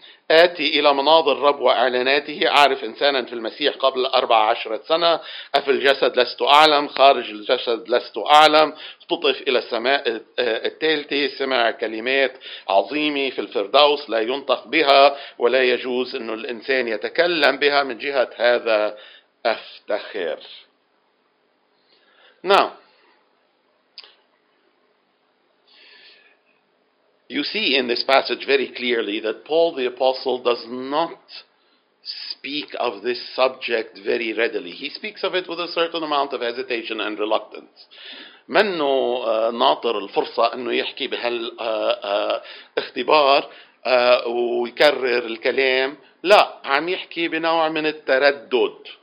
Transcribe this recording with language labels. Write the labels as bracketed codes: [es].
[ar] آتي إلى مناظر الرب وإعلاناته. أعرف إنسانا في المسيح قبل 14 سنة. أفي الجسد لست أعلم. خارج الجسد لست أعلم. اختطف إلى السماء الثالثة. سمع كلمات عظيمة في الفردوس لا ينطق بها ولا يجوز أن الإنسان يتكلم بها. من جهة هذا أفتخر. [en] Now, you see in this passage very clearly that Paul the Apostle does not speak of this subject very readily. He speaks of it with a certain amount of hesitation and reluctance. [ar] منه ناطر الفرصة أنه يحكي بهالاختبار ويكرر الكلام. لا, عم يحكي بنوع من التردد.